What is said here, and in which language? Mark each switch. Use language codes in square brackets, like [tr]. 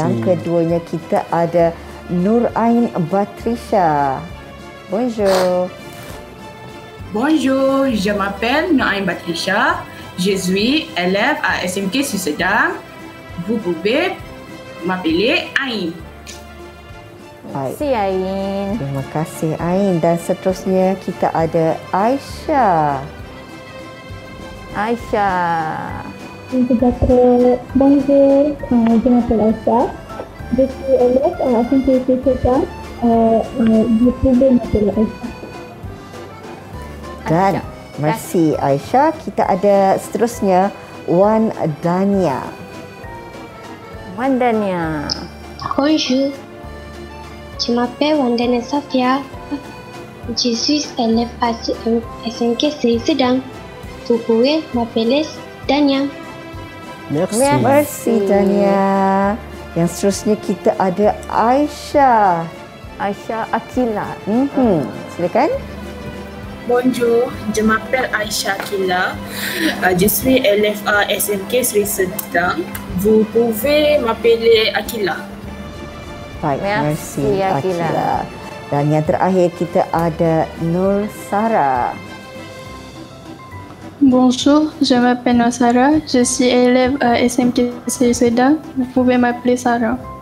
[ms] Yang keduanya kita ada Nur Ain Batrisha. Bonjour. [fr] Bonjour, je m'appelle Nur Ain Batrisha. Je suis élève à SMK Sucedam. Vous pouvez m'appeler Ain. Merci Ain. [ms] Terima kasih Ain. Dan seterusnya kita ada Aisyah. Aisyah. [fr] Bonjour, je m'appelle Aisyah. Je suis élève à SMK Sucedam. Vous pouvez m'appeler Aisyah. [ms] Dan, Aisyah. Merci Aisyah. Kita ada seterusnya Wan Dania. Wan Dania. [fr] Bonjour. Je m'appelle Wan Dania Safia. Je suis élève à SMK Sucedam. Vous pouvez m'appeler Dania. Merci. Merci Dania. [ms] Yang seterusnya kita ada Aisyah. Aisyah Akila. Silakan. [fr] Bonjour, je m'appelle Aisyah Akila. Je suis élève à SMK Sri Sedang. Vous pouvez m'appeler Akila. [ms] Baik, merci Akila. Akila. Dan yang terakhir kita ada Nur Sarah. [fr] Bonjour, je m'appelle Nur Sarah. Je suis élève à SMK Sri Sedang. Vous pouvez m'appeler Sarah.